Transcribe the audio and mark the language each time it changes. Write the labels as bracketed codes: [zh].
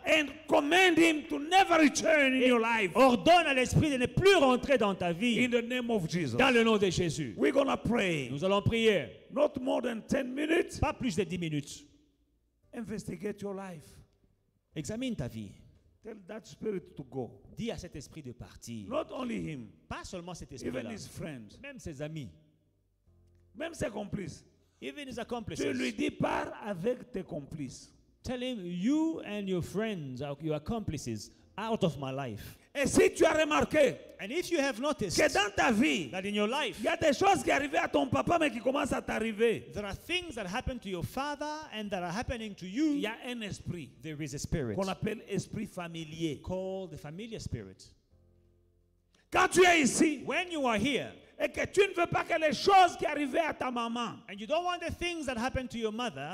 [en] And command him to never return in your life. [fr] Ordonne à l'esprit de ne plus rentrer dans ta vie. [en] In the name of Jesus. [fr] Dans le nom de Jésus. [en] We're gonna pray. [fr] Nous allons prier. [en] Not more than 10 minutes. [fr] Pas plus de 10 minutes. [en] Investigate your life. [fr] Examine ta vie. [en] Tell that spirit to go. [fr] Dis à cet esprit de partir. [en] Not only him. [fr] Pas seulement cet esprit-là. [en] Even his friends. [fr] Même ses amis. Même ses complices. [en] Even his accomplices. [fr] Tu lui dis pars avec tes complices. [en] Tell him you and your friends, your accomplices, out of my life. [fr] Et si tu as remarqué, [en] and if you have noticed, [fr] que dans ta vie, [en] that in your life, [fr] il y a des choses qui arrivent à ton papa mais qui commencent à t'arriver. [en] There are things that happen to your father and that are happening to you. [fr] Il y a un esprit. [en] There is a spirit. [fr] Qu'on appelle esprit familier. [en] Called the familiar spirit. [fr] Quand tu es ici, [en] when you are here, [fr] et que tu ne veux pas que les choses qui arrivent à ta maman, [en] and you don't want the things that happen to your mother,